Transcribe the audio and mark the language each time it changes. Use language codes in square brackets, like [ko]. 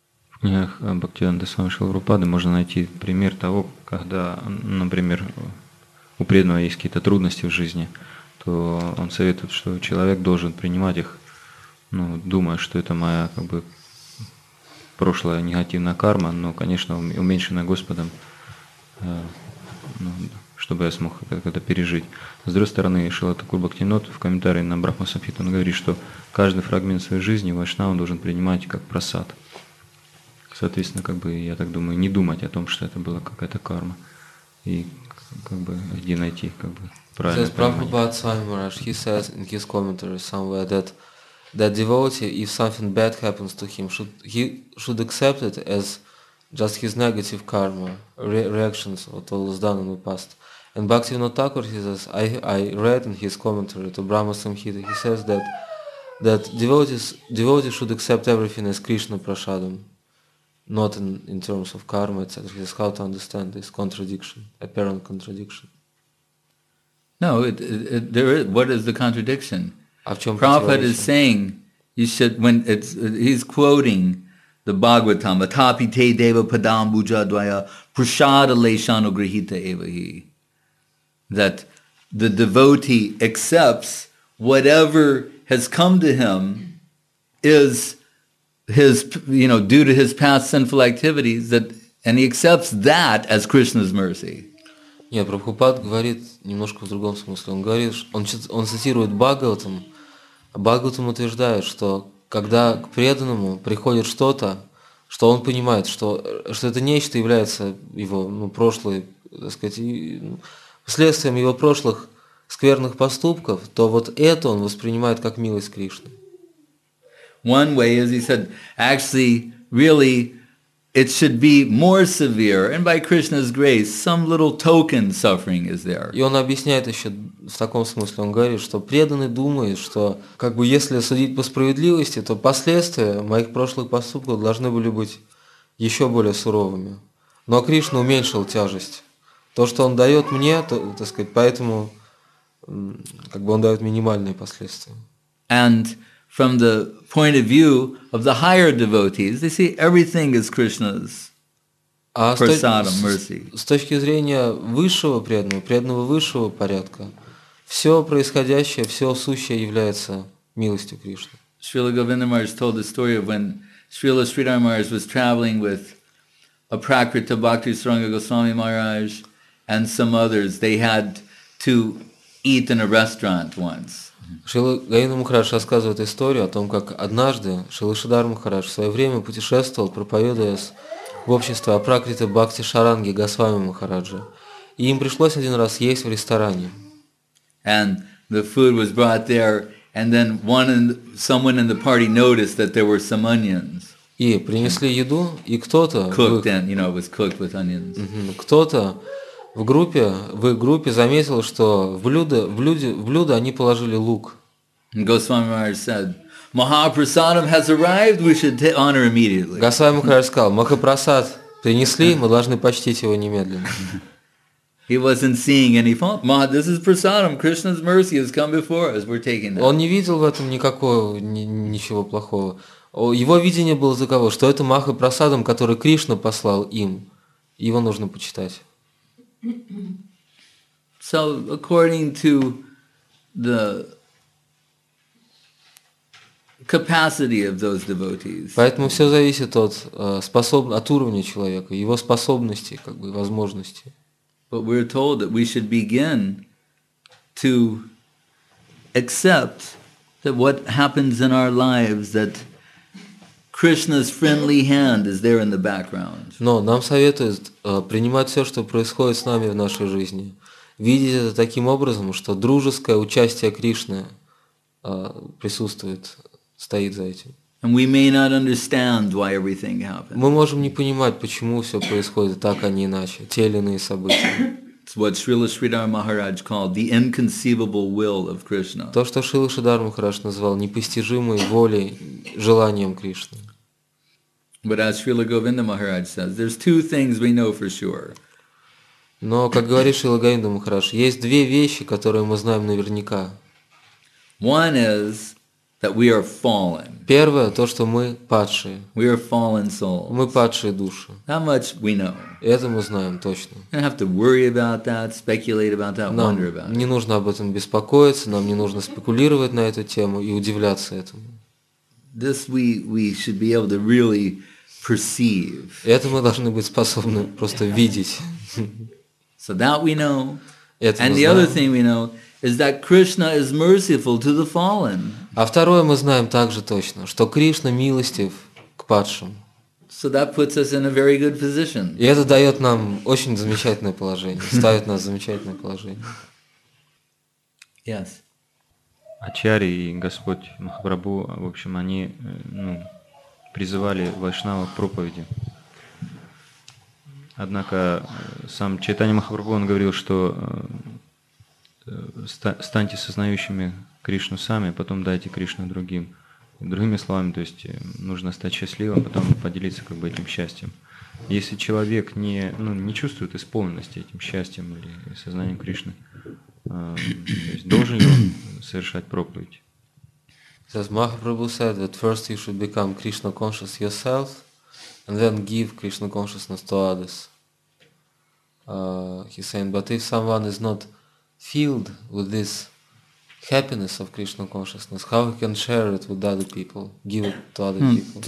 [ru] В книгах Бхактивинода Свами Шилапрабхады можно найти пример того, когда, например, у преданного есть какие-то трудности в жизни, то он советует, что человек должен принимать их, ну, думая, что это моя как бы прошлая негативная карма, но, конечно, уменьшенная Господом, ну, чтобы я смог это пережить. С другой стороны, Шрила Такур Бхактивинод в комментарии на Брахма Самхиту говорит, что каждый фрагмент своей жизни вайшнава должен принимать как просад. Соответственно, как бы, я так думаю, не думать о том, что это была какая-то карма. И как бы где найти как бы правильное понимание. [en] Прабхупад Свами Махарадж, he says in his commentary somewhere that that devotee, if something bad happens to him, should he should accept it as just his negative karma, reactions, what was done in the past. And Bhaktivinoda Thakur, he says, I read in his commentary to Brahma Samhita, he says that that devotees should accept everything as Krishna Prasadam, not in terms of karma, etc. He says how to understand this contradiction, apparent contradiction. No, what is the contradiction? Prabhupada is saying, you should, when it's, he's quoting the Bhagavatam, [sa] Atapi te deva padam buja dvaya prashada leshano grihita evahi, [en] that the devotee accepts whatever has come to him is his, you know, due to his past sinful activities, that, and he accepts that as Krishna's mercy. [ru] Нет, Прабхупад говорит немножко в другом смысле. Он говорит, он цитирует Бхагаватам. Бхагаватам утверждает, что когда к преданному приходит что-то, что он понимает, что это нечто является его, ну, прошлой, так сказать, следствием его прошлых скверных поступков, то вот это он воспринимает как милость Кришны. [en] One way, as he said, actually, really, it should be more severe, and by Krishna's grace, some little token suffering is there. [ru] И он объясняет еще в таком смысле, он говорит, что преданный думает, что как бы если судить по справедливости, то последствия моих прошлых поступков должны были быть еще более суровыми. Но Кришна уменьшил тяжесть. То, что он дает мне, то, так сказать, поэтому как бы он дает минимальные последствия. [en] And from the point of view of the higher devotees, they see everything is Krishna's prasadam, mercy. [ru] С точки зрения высшего преданного, преданного высшего порядка, все происходящее, все сущее является милостью Кришны. [en] Srila Govinda Maharaj told the story of when Srila Sridhar Maharaj was traveling with a Prakrita Bhakti Saranga Goswami Maharaj and some others. They had to eat in a restaurant once. [ru] Шрила Говинда Махарадж рассказывает историю о том, как однажды Шрила Шридхар Махарадж в свое время путешествовал, проповедуя в обществе Апракрита Бхакти Шаранги Госвами Махараджа. И им пришлось один раз есть в ресторане. [en] And the food was brought there, and then someone in the party noticed that there were some onions. [ru] И принесли еду, и кто-то... [en] Cooked, and, you know, it was cooked with onions. [ru] Кто-то... В группе заметил, что в блюдо они положили лук. [en] Госвами Махарадж said, Махапрасадам has arrived, we should honor immediately. [ru] Госвами Махарадж сказал, Махапрасад принесли, мы должны почтить его немедленно. [en] He wasn't seeing any fault. Ma, this is prasadam, Krishna's mercy has come before us, we're taking it. [ru] Он не видел в этом ничего плохого. Его видение было за кого? Что это Махапрасадам, который Кришна послал им. Его нужно почитать. [en] So according to the capacity of those devotees. [ru] Поэтому все зависит от уровня человека, его способности, как бы возможности. [en] But we're told that we should begin to accept that what happens in our lives, that Krishna's friendly hand is there in the background. [ru] Но нам советуют принимать все, что происходит с нами в нашей жизни, видеть это таким образом, что дружеское участие Кришны присутствует, стоит за этим. [en] And we may not understand why everything happens. [ru] Мы можем не понимать, почему все происходит так, а не иначе, те или иные события. [en] It's what Srila Sridhar Maharaj called the inconceivable will of Krishna. [ru] То, что Шрила Шридхар Махарадж назвал непостижимой волей, желанием Кришны. [en] But as Srila Govinda Maharaj says, there's two things we know for sure. [ru] Но, как говорит Шрила Говинда Махарадж, есть две вещи, которые мы знаем наверняка. [en] One is That we are fallen. [ru] Первое то, что мы падшие. [en] We are fallen souls. [ru] Мы падшие души. [en] How much we know. [ru] Это мы знаем точно. [en] We don't have to worry about that, speculate about that, wonder about. [ru] Нам не нужно об этом беспокоиться, нам не нужно спекулировать на эту тему и удивляться этому. [en] This we should be able to really perceive. [ru] Это мы должны быть способны просто видеть. [en] So that we know. And the other thing we know is that Krishna is merciful to the fallen. [ru] А второе мы знаем также точно, что Кришна милостив к падшим. [en] So that puts us in a very good position. [ru] И это дает нам очень замечательное положение, ставит нас в замечательное положение. [en] Yes. [ru] Ачари и Господь Махапрабху, в общем, они призывали вайшнава к проповеди. Однако сам Чайтанья Махапрабху, он говорил, что станьте сознающими Кришну сами, потом дайте Кришну другим. Другими словами, то есть нужно стать счастливым, потом поделиться как бы этим счастьем. Если человек не чувствует исполненности этим счастьем или сознанием Кришны, то есть должен ли он совершать проповедь? [en] Says Mahaprabhu said that first you should become Krishna conscious yourself and then give Krishna consciousness to others. He's saying, but if someone is not filled with this happiness of Krishna consciousness, how we can share it with other people, give it to other people.